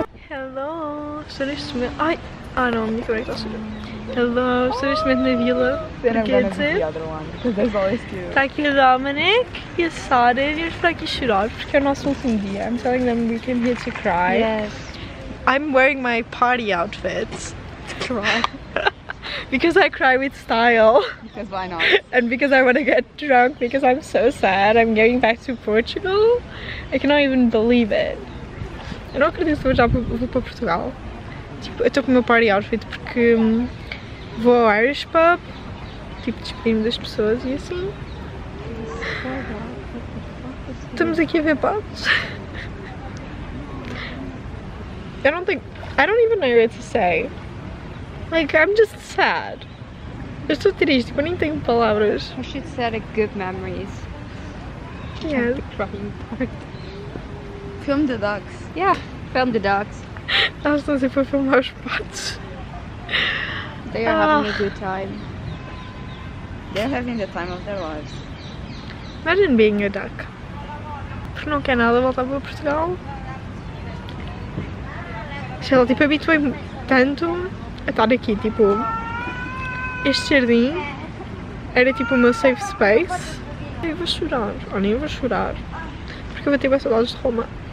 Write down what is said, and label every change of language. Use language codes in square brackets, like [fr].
[en] Hello, [pt] estou neste momento. Ai, ah não, me conecta ao sujo. [en] Hello, [pt] estou neste momento na vila. Está aqui o Dominic e a Sara. E vamos para aqui chorar porque é o nosso último dia. [en] I'm telling them we came here to cry. Yes. I'm wearing my party outfits. Cry. Because I cry with style. Because why not? And because I want to get drunk because I'm so sad. I'm getting back to Portugal. I cannot even believe it. [pt] Eu não acredito que eu já vou para Portugal. Tipo, eu estou com o meu party outfit porque vou ao Irish Pub, tipo, despedindo das pessoas e assim. Estamos aqui a ver pubs. [en] I don't think, I don't even know what to say. Like, I'm just sad. [pt] Eu estou triste, eu nem tenho palavras. [en] We should set a good memories. Yeah. The crying part. Film the ducks. Yeah, film the ducks. [pt] Elas estão sempre a filmar os patos. [en] They are having a good time. They're having the time of their lives. Imagine being a duck. [pt] Porque não quer nada voltar para Portugal. Sei lá, tipo, habituei-me tanto a estar aqui, tipo, este jardim era tipo o meu safe space. Eu vou chorar, ou nem vou chorar, porque eu vou ter mais saudades de Roma.